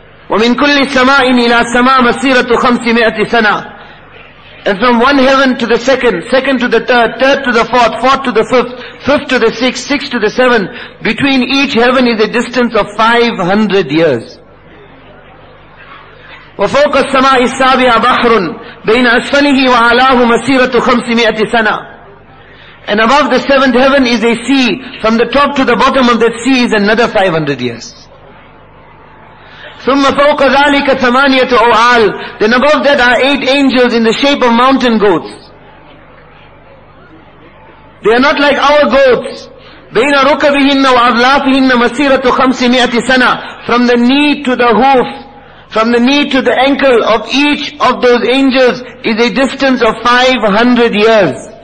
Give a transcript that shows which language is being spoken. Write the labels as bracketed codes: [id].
[ar] وَمِنْ كُلِّ سَمَاءٍ إِلَى سَمَاءٍ مَسِيرَةُ 500 سَنَةٍ [en] And from one heaven to the second, second to the third, third to the fourth to the fifth, fifth to the sixth, sixth to the seventh, between each heaven is a distance of 500 years. [ar] وَفَوْقَ السَّمَاءِ السَّابِعَ بَحْرٌ بَيْنَ أَسْفَلِهِ وَعَلَاهُ مَسِيرَةُ 500 سَنَةٍ [en] And above the seventh heaven is a sea. From the top to the bottom of that sea is another 500 years. [ar] ثُمَّ فَوْقَ ذَلِكَ ثَمَانِيَةُ أَوْعَالٍ [en] Then above that are 8 angels in the shape of mountain goats. They are not like our goats. [ar] بَيْنَ رُكَبِهِنَّ وَأَظْلَافِهِنَّ مَسِيرَةُ 500 سَنَةٍ [en] From the knee to the hoof, from the knee to the ankle of each of those angels is a distance of 500 years.